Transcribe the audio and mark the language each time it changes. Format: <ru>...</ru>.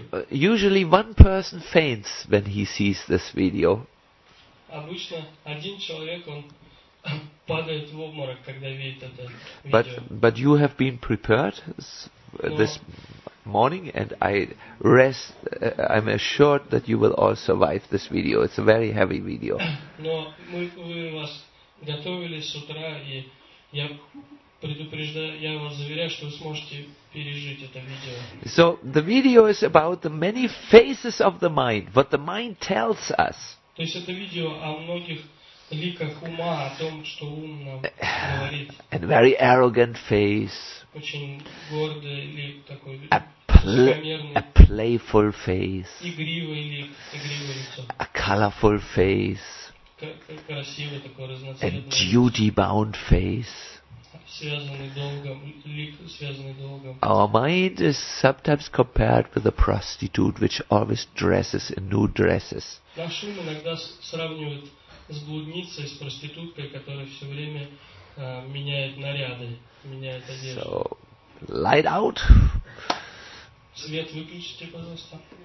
<en>Usually one person faints when he sees this video.</en> <ru>Обычно один человек он падает в обморок, когда видит это видео.</ru> <en>But you have been prepared this morning, and I'm assured that you will all survive this video. It's a very heavy video.</en> <ru>Но вы вас готовили с утра, и я предупреждаю, я вас заверяю, что вы сможете пережить это видео.</ru> <en>So the video is about the many faces of the mind, what the mind tells us.</en> <ru>То есть это видео о многих ликах ума, о том, что ум нам говорит.</ru> <en>And very arrogant face.</en> <ru>Очень гордый лик такой.</ru> <en>A playful face.</en> <ru>Игривый лик, игривое лицо.</ru> <en>A colorful face.</en> <ru>Красивый такой, разноцветный.</ru> <en>A duty-bound face.</en> <ru>Связанный долгом, лик, связанный долгом.</ru> <en>Our mind is sometimes compared with a prostitute which always dresses in new dresses.</en> <ru>Наш ум иногда сравнивает с блудницей, с проституткой, которая все время меняет наряды, меняет одежду.</ru> <en>So, light out.</en> <ru>Свет выключите, пожалуйста.</ru>